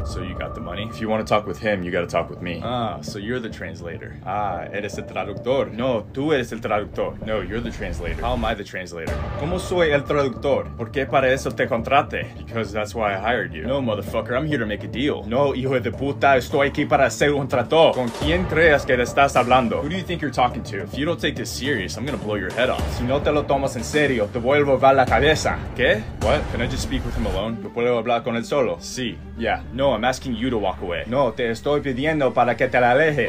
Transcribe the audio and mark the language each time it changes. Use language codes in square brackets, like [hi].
[en] So you got the money? If you want to talk with him, you got to talk with me. Ah, so you're the translator. [es] Ah, eres el traductor. No, tú eres el traductor. [en] No, you're the translator. How am I the translator? [es] ¿Cómo soy el traductor? ¿Por qué para eso te contraté? [en] Because that's why I hired you. No, motherfucker, I'm here to make a deal. [es] No, hijo de puta, estoy aquí para hacer un trato. ¿Con quién crees que estás hablando? [en] Who do you think you're talking to? If you don't take this serious, I'm gonna blow your head off. [es] Si no te lo tomas en serio, te vuelvo a la cabeza. ¿Qué? [en] What? Can I just speak with him alone? [es] ¿Yo puedo hablar con él solo? Sí. [en] Yeah. No, I'm asking you to walk away. [es] No, te estoy pidiendo para que te la alejes.